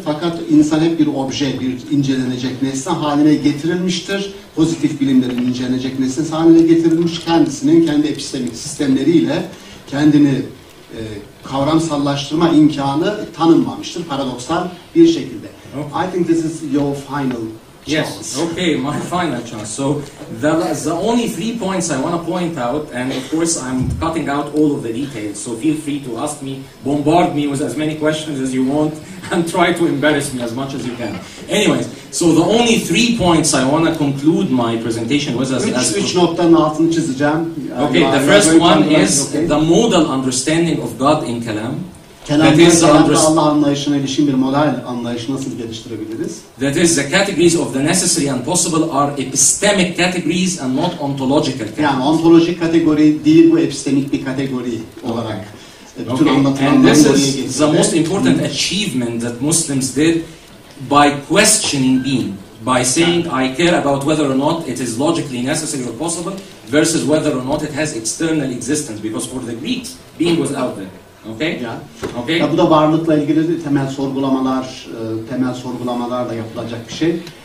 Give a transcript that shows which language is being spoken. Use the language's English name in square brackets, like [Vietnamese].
[Turkish] Fakat insan hep bir obje, bir incelenecek nesne haline getirilmiştir. Pozitif bilimlerin incelenecek nesnesi haline getirilmiş. Kendisinin kendi epistemik sistemleriyle kendini kavramsallaştırma imkanı tanınmamıştır paradoksal bir şekilde. [English] Okay. I think this is your final chance. Yes, okay, my final chance. So the only three points I want to point out, and of course I'm cutting out all of the details, so feel free to ask me, bombard me with as many questions as you want, and try to embarrass me as much as you can. Anyways, so the only three points I want to conclude my presentation with as... Which [Turkish] noktanın altını çizeceğim. [English] Okay, the first one is the modal understanding of God in Kelam. [Turkish] Kelam'da Allah anlayışına ilişkin bir model anlayışı nasıl geliştirebiliriz? [English] That is, the categories of the necessary and possible are epistemic categories and not ontological categories. [Turkish] Yani ontolojik kategori değil, bu epistemik bir kategori olarak. Bütün anlatılan anlayışı geliştirir. [English] And this is the most important achievement that Muslims did by questioning being, by saying I care about whether or not it is logically necessary or possible versus whether or not it has external existence, because for the Greeks being was out there. Okay. [Turkish] Ya bu da varlıkla ilgili temel sorgulamalar da yapılacak bir şey.